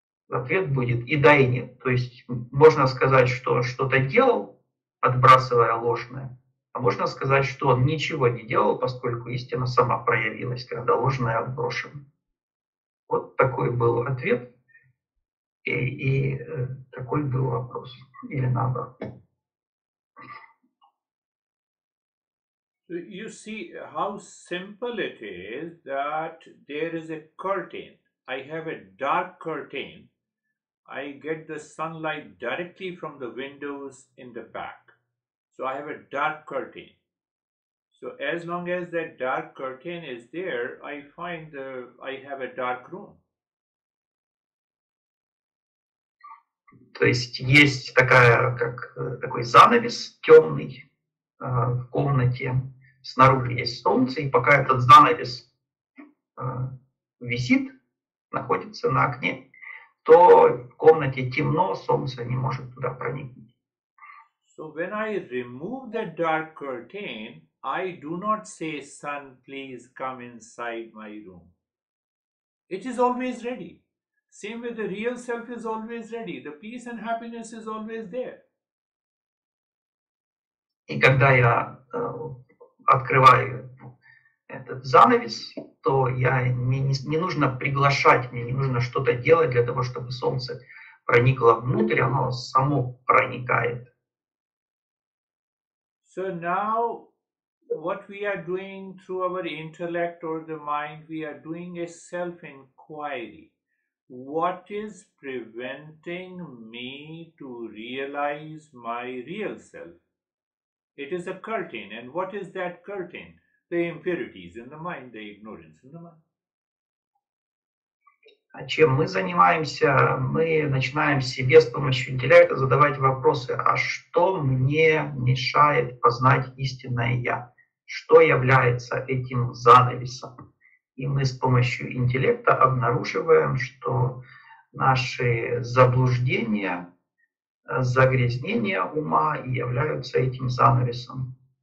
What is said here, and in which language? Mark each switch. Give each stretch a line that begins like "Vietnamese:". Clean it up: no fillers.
Russian: Ответ будет и да, и нет. То есть можно сказать, что что-то делал, отбрасывая ложное, а можно сказать, что он ничего не делал, поскольку истина сама проявилась, когда ложное отброшено. Вот такой был ответ и такой был вопрос. Или наоборот.
English: You see how simple it is that there is a curtain. I have a dark curtain. I get the sunlight directly from the windows in the back. So I have a dark curtain. So as long as that dark curtain is there, I find I have a dark room.
Russian: То есть есть такая, как такой занавес темный в комнате. Снаружи есть солнце, и пока этот занавес висит, находится на окне, то в комнате темно, солнце не может туда проникнуть.
English: So when I remove the dark curtain, I do not say, sun, please come inside my room. It is always ready. Same with the real self is always ready. The peace and happiness is always there.
Russian: И когда я открываю этот занавес, то я не нужно приглашать, мне не нужно что-то делать для того, чтобы солнце проникло внутрь, оно само проникает.
English: So now what we are doing through our intellect or the mind, we are doing a self-inquiry. What is preventing me to realize my real self? It is a curtain. And what is that curtain? The impurities in the mind, the ignorance in the mind.
Russian: А чем мы занимаемся? Мы начинаем себе с помощью интеллекта задавать вопросы. А что мне мешает познать истинное Я? Что является этим занавесом? И мы с помощью интеллекта обнаруживаем, что наши заблуждения, загрязнения ума и являются этим занавесом.